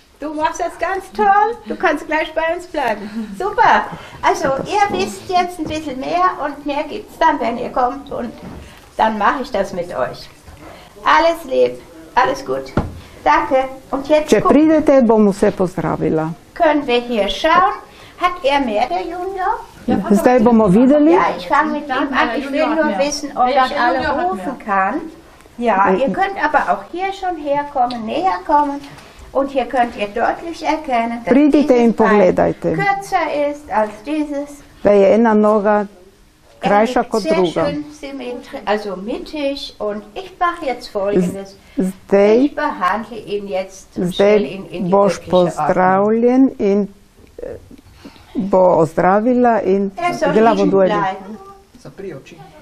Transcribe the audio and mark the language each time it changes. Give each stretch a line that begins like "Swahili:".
German: Du machst das ganz toll, du kannst gleich bei uns bleiben. Super, also ihr wisst jetzt ein bisschen mehr und mehr gibt's dann, wenn ihr kommt und dann mache ich das mit euch. Alles lieb, alles gut, danke. Und jetzt
Slovenian: če pridete, bom vse pozdravila.
German: Können wir hier schauen? Hat er mehr, der Junior?
Slovenian: Zdaj bomo videli.
German: Ja, ich fange mit ihm an. Ich will nur wissen, ob ich alle rufen kann. Ja, ihr könnt aber auch hier schon herkommen, näher kommen. Und hier könnt ihr deutlich erkennen, dass
Slovenian: pridite in pogledajte.
German: Kürzer ist als dieses.
Slovenian: Da je ena noga krajša kot druga.
German: Also mittig. Und ich mache jetzt Folgendes.
Slovenian: Zdaj,
German: ich behandle ihn jetzt in die
Slovenian: boš pozdravljen in bo ozdravila in glavo dueli. Zapri oči.